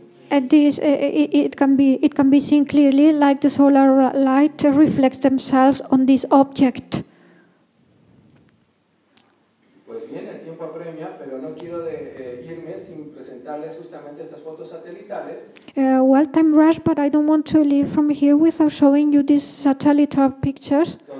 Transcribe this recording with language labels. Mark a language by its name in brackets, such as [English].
[English] It can be seen clearly, like the solar light reflects themselves on this object. [Spanish] Pues bien, el tiempo apremia, pero no quiero irme sin presentarles justamente estas fotos satelitales. [English] Well, time rush, but I don't want to leave from here without showing you these satellite pictures.